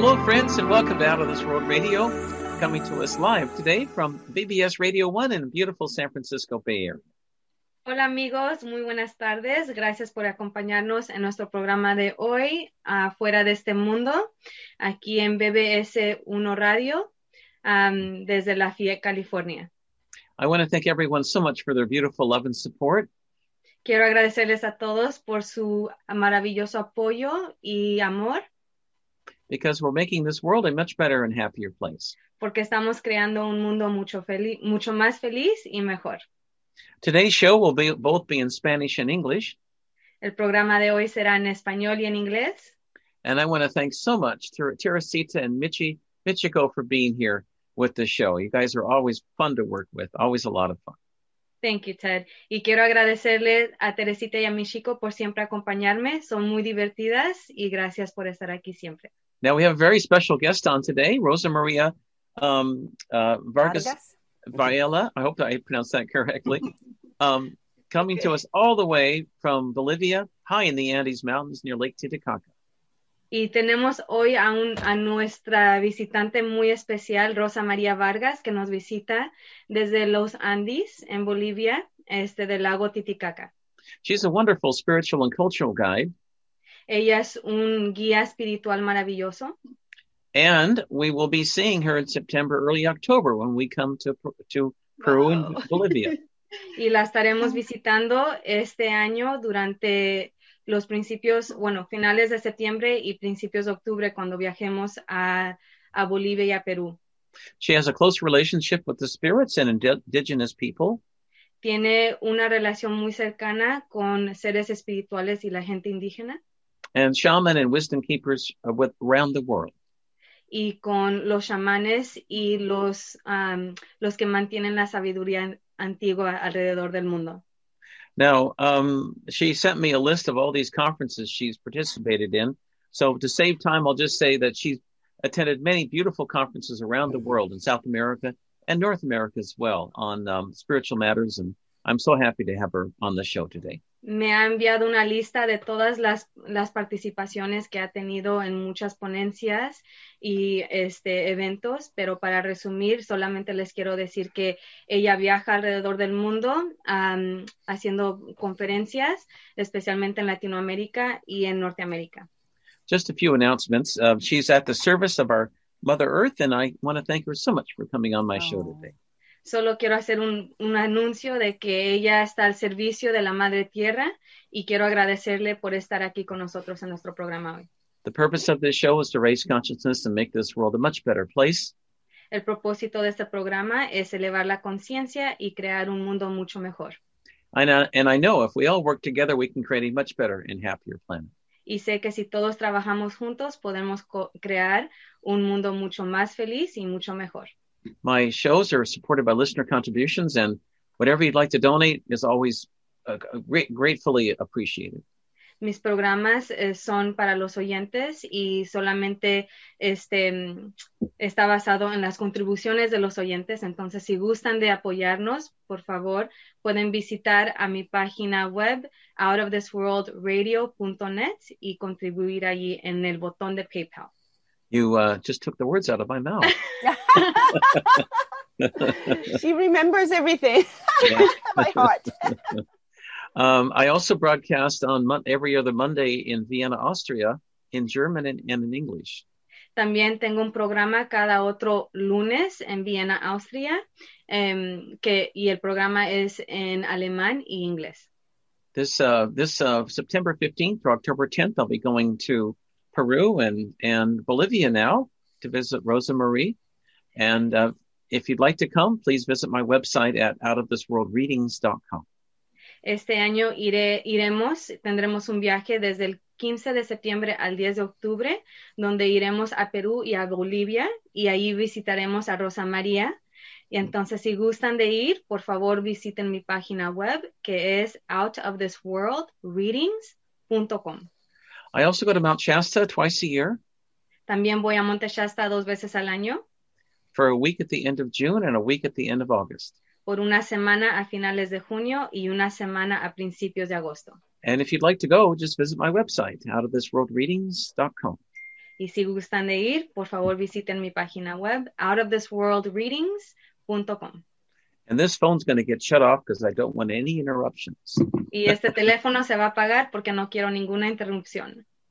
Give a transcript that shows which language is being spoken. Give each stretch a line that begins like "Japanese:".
English: friends, and welcome to Out of This World Radio, coming to us live today from BBS Radio 1 in beautiful San Francisco Bay Area.
Spanish: Hola amigos, muy buenas tardes. Gracias por acompañarnos en nuestro programa de hoy, Fuera de este Mundo, aquí en BBS 1 Radio, desde Lafayette, California.
English: I want to thank everyone so much for their beautiful love and support.
Spanish: Quiero agradecerles a todos por su maravilloso apoyo y amor.
English: Because we're making this world a much better and happier place.
Spanish: Porque estamos creando un mundo mucho más feliz y mejor.
English: Today's show will both be in Spanish and English.
Spanish: El programa de hoy será en español y en inglés.
English: And I want to thank so much to Teresita and Michiko for being here with the show. You guys are always fun to work with, always a lot of fun. Thank you, Ted.
Spanish: Y quiero agradecerle a Teresita y a Michiko por siempre acompañarme. Son muy divertidas y gracias por estar aquí siempre.
English: Now we have a very special guest on today, Rosa Maria Vargas. Viola, I hope I pronounced that correctly, coming to us all the way from Bolivia, high in the Andes Mountains near Lake Titicaca.
Spanish: Y tenemos hoy a nuestra visitante muy especial, Rosa María Vargas, que nos visita desde los Andes en Bolivia, del lago Titicaca.
English: She's a wonderful spiritual and cultural guide.
Spanish: Ella es un guía espiritual maravilloso.
English: And we will be seeing her in September, early October, when we come to Peru and Bolivia.
Spanish: Y la estaremos visitando este año durante los principios, bueno, finales de septiembre y principios de octubre, cuando viajemos a Bolivia y a Perú.
English: She has a close relationship with the spirits and indigenous people.
Spanish: Tiene una relación muy cercana con seres espirituales y la gente indígena.
English: And shaman and wisdom keepers around the world.
Spanish: Y con los chamanes y los que mantienen la sabiduría antigua alrededor del mundo.
English: Now, she sent me a list of all these conferences she's participated in. So to save time, I'll just say that she's attended many beautiful conferences around the world in South America and North America as well on spiritual matters. And I'm so happy to have her on the show today.
Spanish: Me ha enviado una lista de todas las participaciones que ha tenido en muchas ponencias y eventos, pero para resumir, solamente les quiero decir que ella viaja alrededor del mundo haciendo conferencias, especialmente en Latinoamérica y en Norteamérica.
English: Just a few announcements. She's at the service of our Mother Earth, and I want to thank her so much for coming on my show today.
Spanish: Solo quiero hacer un anuncio de que ella está al servicio de la Madre Tierra y quiero agradecerle por estar aquí con nosotros en nuestro programa hoy.
English: The purpose of this show is to raise consciousness and make this world a much better place.
Spanish: El propósito de este programa es elevar la conciencia y crear un mundo mucho mejor.
English: And I know if we all work together, we can create a much better and happier planet.
Spanish: Y sé que si todos trabajamos juntos, podemos crear un mundo mucho más feliz y mucho mejor.
English: My shows are supported by listener contributions, and whatever you'd like to donate is always gratefully appreciated.
Spanish: Mis programas son para los oyentes y solamente está basado en las contribuciones de los oyentes. Entonces, si gustan de apoyarnos, por favor, pueden visitar a mi página web outofthisworldradio.net y contribuir allí en el botón de PayPal.
English: You just took the words out of my mouth. She remembers everything by heart. I also broadcast on every other Monday in Vienna, Austria, in German and in English.
Spanish: También tengo un programa cada otro lunes en Vienna, Austria, y el programa es en alemán y inglés.
English: This September 15th through October 10th, I'll be going to Peru and Bolivia now to visit Rosa Marie. And if you'd like to come, please visit my website at outofthisworldreadings.com.
Spanish: Este año tendremos un viaje desde el 15 de septiembre al 10 de octubre, donde iremos a Perú y a Bolivia, y ahí visitaremos a Rosa María. Y entonces, si gustan de ir, por favor, visiten mi página web, que es outofthisworldreadings.com.
English: I also go to Mount Shasta twice a year.
Spanish: También voy a Monte Shasta dos veces al año.
English: For a week at the end of June and a week at the end of August.
Spanish: Por una semana a finales de junio y una semana a principios de agosto.
English: And if you'd like to go, just visit my website, outofthisworldreadings.com.
Spanish: Y si gustan de ir, por favor visiten mi página web, outoftheworldreadings.com.
English: And this phone's going to get shut off because I don't want any interruptions.
Spanish: Y este teléfono se va a apagar porque no quiero ninguna interrupción.